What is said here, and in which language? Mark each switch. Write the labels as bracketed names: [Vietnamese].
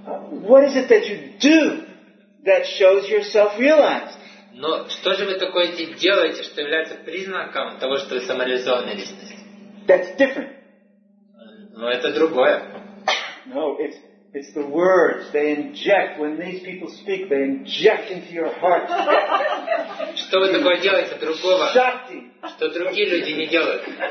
[English] What is it that you do that shows yourself realized? [Russian] Но что же вы такое делаете, что является признаком того, что вы самореализованная личность? [English] That's different. [Russian] Но это другое. [English] No, it's the words they inject when these people speak. They inject into your heart. [Russian] Что вы такое делаете другого? Шакти. Что другие люди не делают.